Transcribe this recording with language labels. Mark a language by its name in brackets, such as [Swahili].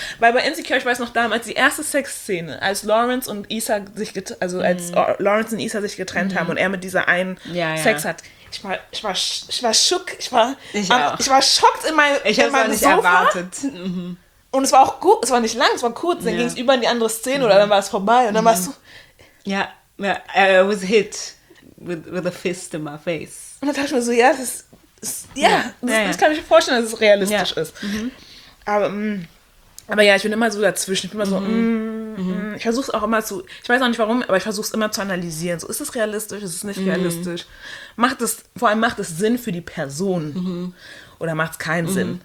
[German] Weil bei Insecure, ich weiß noch damals, die erste Sexszene, als Lawrence und Issa sich getrennt haben und er mit dieser einen Sex hat. Ich war schockt in meinem Sofa. Ich habe es nicht erwartet. Und es war auch gut, es war nicht lang, es war kurz. Dann ging es über in die andere Szene oder dann war es vorbei. Und dann war es so... Ja, [English] I was hit with a fist in my face. [German] Und dann dachte ich mir so, ja, das kann ich mir vorstellen, dass es realistisch ist. Mhm. Aber ich bin immer so dazwischen. Ich bin immer so... Ich versuche es auch immer zu... Ich weiß auch nicht warum, aber ich versuche es immer zu analysieren. So, ist es realistisch, ist es nicht realistisch? Macht es Sinn für die Person? Mhm. Oder macht es keinen Sinn?